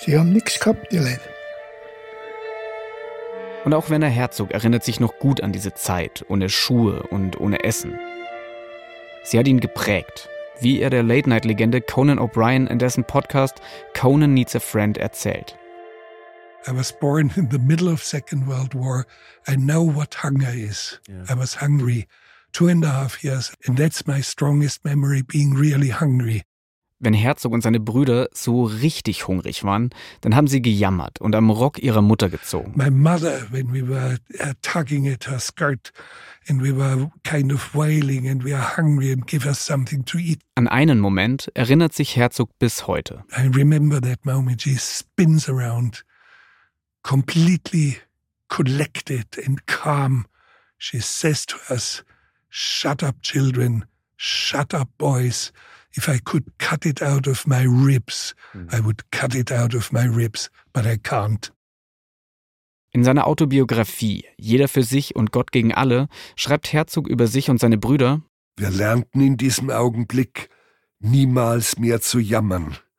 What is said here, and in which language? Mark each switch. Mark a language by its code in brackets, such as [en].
[de] Die haben nichts gehabt, die Leute. Und auch Werner Herzog erinnert sich noch gut an diese Zeit, ohne Schuhe und ohne Essen. Sie hat ihn geprägt, wie er der Late-Night-Legende Conan O'Brien in dessen Podcast Conan Needs a Friend erzählt. [en] I was born in the middle of Second World War. I know what hunger is. Yeah. I was hungry. 2.5 years. And that's my strongest memory, being really hungry. [de] Wenn Herzog und seine Brüder so richtig hungrig waren, dann haben sie gejammert und am Rock ihrer Mutter gezogen. [en] My mother, when we were tugging at her skirt and we were kind of wailing and we are hungry and give us something to eat. [de] An einen Moment erinnert sich Herzog bis heute. [en] I remember that moment. She spins around, completely collected and calm. She says to us, shut up children, shut up boys. If I could cut it out of my ribs, I would cut it out of my ribs, but I can't. [de] In seiner Autobiografie Jeder für sich und Gott gegen alle schreibt Herzog über sich und seine Brüder: Wir lernten in diesem Augenblick niemals mehr zu jammern.